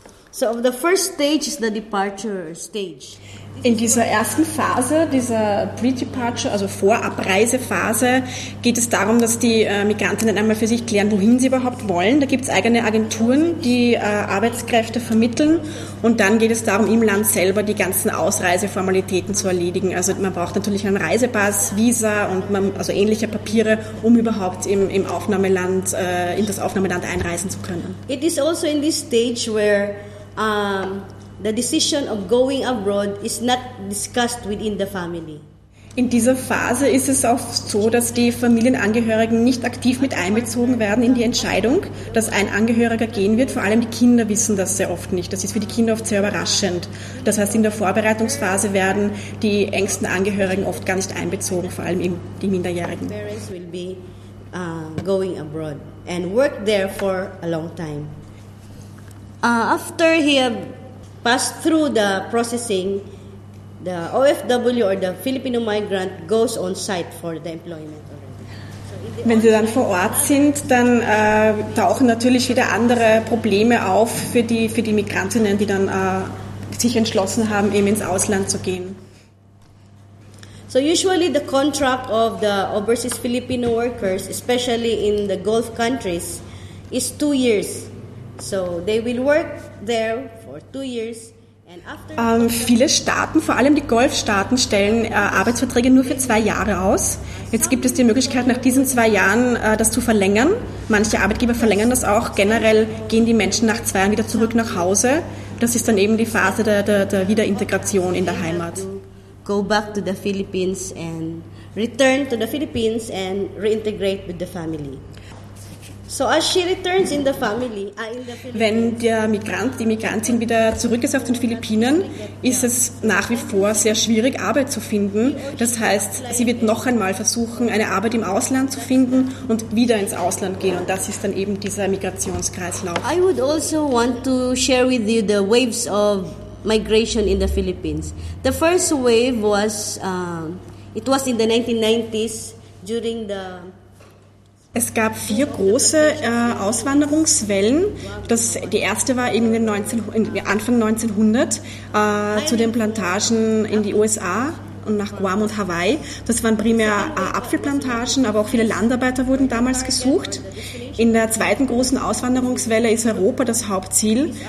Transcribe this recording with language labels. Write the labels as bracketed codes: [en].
[en] So the first stage is the departure stage. [de] In dieser ersten Phase, dieser Pre-Departure, also Vorabreisephase, geht es darum, dass die Migrantinnen einmal für sich klären, wohin sie überhaupt wollen. Da gibt es eigene Agenturen, die Arbeitskräfte vermitteln. Und dann geht es darum, im Land selber die ganzen Ausreiseformalitäten zu erledigen. Also man braucht natürlich einen Reisepass, Visa und also ähnliche Papiere, um überhaupt im Aufnahmeland, in das Aufnahmeland einreisen zu können. [en] It is also in this stage where the decision of going abroad is not discussed within the family. [de] In dieser Phase ist es auch so, dass die Familienangehörigen nicht aktiv mit einbezogen werden in die Entscheidung, dass ein Angehöriger gehen wird. Vor allem die Kinder wissen das sehr oft nicht. Das ist für die Kinder oft sehr überraschend. Das heißt, in der Vorbereitungsphase werden die engsten Angehörigen oft gar nicht einbezogen, vor allem die Minderjährigen. [en] Parents will be going abroad and work there for a long time. After he have passed through the processing, the OFW or the Filipino migrant goes on site for the employment. [de] Wenn sie dann vor Ort sind, dann tauchen natürlich wieder andere Probleme auf für die Migrantinnen, die dann sich entschlossen haben, eben ins Ausland zu gehen. [en] So usually the contract of the overseas Filipino workers, especially in the Gulf countries, is 2 years. So they will work there for 2 years. [de] Viele Staaten, vor allem die Golfstaaten, stellen Arbeitsverträge nur für 2 Jahre aus. Jetzt gibt es die Möglichkeit, nach diesen 2 Jahren das zu verlängern. Manche Arbeitgeber verlängern das auch. Generell gehen die Menschen nach 2 Jahren wieder zurück nach Hause. Das ist dann eben die Phase der Wiederintegration in der Heimat. [en] Go back to the Philippines and return to the Philippines and reintegrate with the family. So as she returns in the family, [de] wenn der Migrant, die Migrantin wieder zurück ist auf den Philippinen, ist es nach wie vor sehr schwierig, Arbeit zu finden. Das heißt, sie wird noch einmal versuchen, eine Arbeit im Ausland zu finden und wieder ins Ausland gehen. Und das ist dann eben dieser Migrationskreislauf. [en] I would also want to share with you the waves of migration in the Philippines. The first wave was, it was in the 1990s during the... [de] Es gab 4 große Auswanderungswellen. Die erste war eben Anfang 1900 zu den Plantagen in die USA und nach Guam und Hawaii. Das waren primär Apfelplantagen, aber auch viele Landarbeiter wurden damals gesucht. In der zweiten großen Auswanderungswelle ist Europa das Hauptziel.